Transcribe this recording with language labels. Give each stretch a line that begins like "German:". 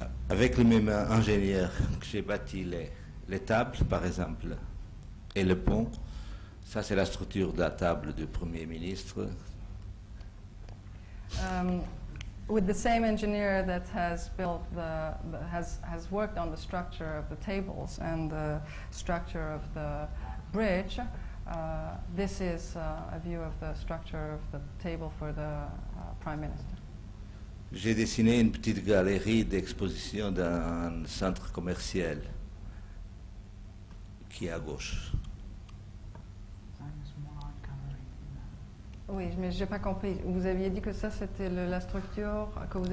French: Avec les mêmes ingénieurs que j'ai bâti les tables, par exemple, et le pont, ça c'est la structure de la table du Premier ministre.
English: With the same engineer that has built the has worked on the structure of the tables and the structure of the bridge, this is a view of the structure of the table for the Prime Minister.
French: J'ai dessiné une petite galerie d'exposition d'un centre commercial qui est à gauche. Oui, mais j'ai pas compris. Vous aviez dit que ça, c'était la structure que vous